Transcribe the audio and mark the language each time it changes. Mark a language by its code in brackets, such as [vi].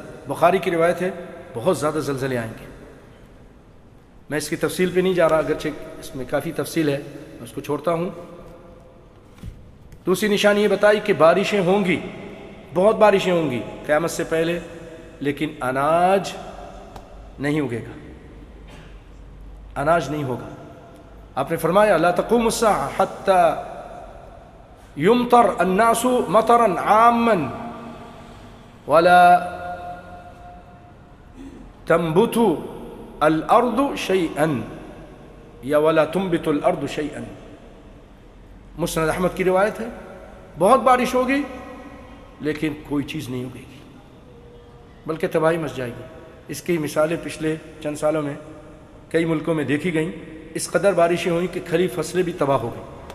[ur] بخاری کی روایت ہے بہت زیادہ زلزلے آئیں گے. میں اس کی تفصیل پہ نہیں جا رہا اگرچہ اس میں کافی تفصیل ہے, میں اس کو چھوڑتا ہوں. دوسری نشانی یہ بتائی کہ بارشیں ہوں گی, بہت بارشیں ہوں گی قیامت سے پہلے, لیکن اناج نہیں اگے گا, اناج نہیں ہوگا. آپ نے فرمایا [ar] لا تقوم الساعة حتى يمطر الناس مطرا عاما ولا تنبت الارض شيئا يا ولا تنبت الارض شيئا. [ur] مسند احمد کی روایت ہے بہت بارش ہوگی لیکن کوئی چیز نہیں ہوگی بلکہ تباہی مچ جائے گی. اس کی مثالیں پچھلے چند سالوں میں کئی ملکوں میں دیکھی گئیں, اس قدر بارشیں ہوئیں کہ کھڑی فصلیں بھی تباہ ہو گئیں.